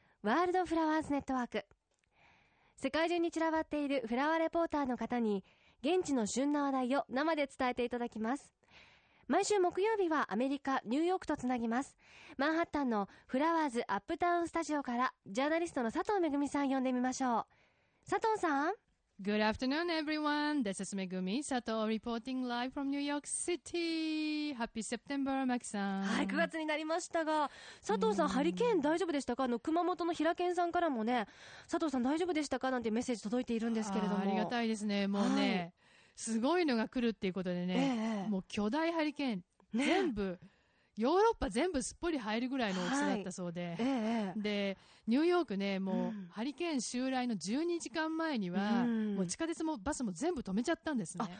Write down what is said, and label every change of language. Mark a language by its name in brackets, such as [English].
[Japanese] ワールドフラワーズネットワーク。世界中に散らばっているフラワーレポーターの方に現地の旬な話題を生で伝えていただきます。毎週木曜日はアメリカ、ニューヨークとつなぎます。マンハッタンのフラワーズアップタウンスタジオからジャーナリストの佐藤めぐみさん呼んでみましょう。佐藤さん。 [English] Good afternoon everyone. This is Megumi Sato reporting live from New York City. Happy September, Maki さん。 [Japanese] はい、9月になりましたが、佐藤さん、ハリケーン大丈夫でしたか？熊本の平健さんからもね、佐藤さん大丈夫でしたか？なんてメッセージ届いているんですけれども。ありがたいですね。もうね、すごいのが来るっていうことでね、もう巨大ハリケーン、全部、ヨーロッパ全部すっぽり入るぐらいの大きさだったそうで、で、ニューヨークね、もうハリケーン襲来の12時間前には、もう地下鉄もバスも全部止めちゃったんですね。